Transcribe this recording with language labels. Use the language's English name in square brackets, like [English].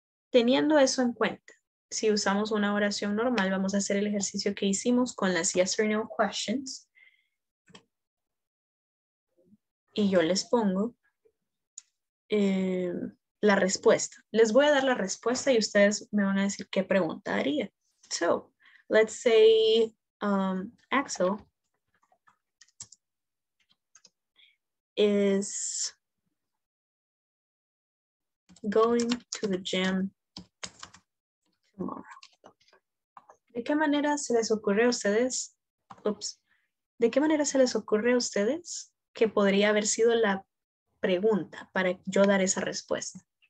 [Spanish] Teniendo eso en cuenta, si usamos una oración normal, vamos a hacer el ejercicio que hicimos con las yes or no questions. Y yo les pongo la respuesta. Les voy a dar la respuesta y ustedes me van a decir qué pregunta haría. [English] So, let's say Axel is going to the gym tomorrow. [Spanish] ¿De qué manera se les ocurre a ustedes? ¿De qué manera se les ocurre a ustedes que podría haber sido la pregunta para yo dar esa respuesta?